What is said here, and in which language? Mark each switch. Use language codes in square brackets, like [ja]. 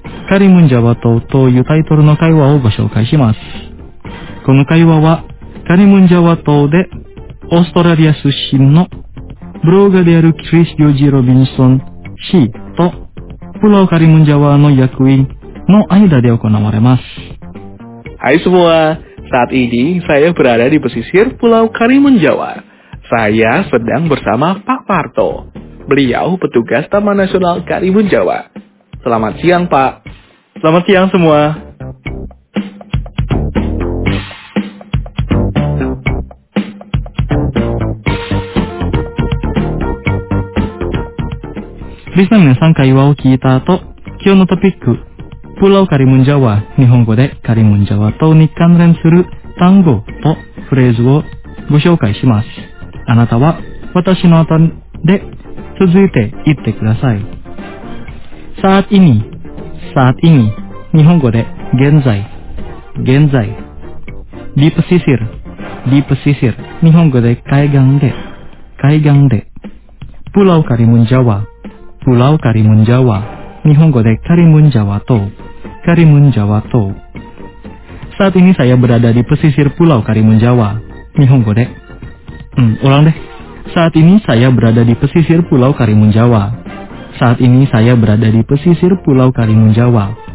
[ja] カリムンジャワ島というタイトルの会話をご紹介します。この会話はカリムンジャワ島でオーストラリア出身のブロガーであるクリス・ヨジ・ロビンソン氏とプロカリムンジャワの役員の間で行われます。 [id] はい、スモア、saat ini saya berada di pesisir Pulau Karimun Jawa. Saya sedang bersama Pak Parto. Beliau petugas Taman Nasional Karimun Jawa. Selamat siang, Pak. Selamat siang semua. [ja] リスナー皆さん、会話を聞いた後、今日のトピック、プラオカリムンジャワ、日本語でカリムンジャワと日関連する単語とフレーズをご紹介します。あなたは私の後で続いて言ってください。さあ意味、さあ意味、日本語で現在、現在。ディープシシル、ディープシシル、日本語で海岸で、海岸で。プラオカリムンジャワ、プラオカリムンジャワ、日本語でカリムンジャワ島、カリムンジャワ島。 [id] Saat ini saya berada di pesisir Pulau Karimun Jawa. [ja] Nihongo de. [id] Ulang deh. Saat ini saya berada di pesisir Pulau Karimun Jawa. Saat ini saya berada di pesisir Pulau Karimun Jawa.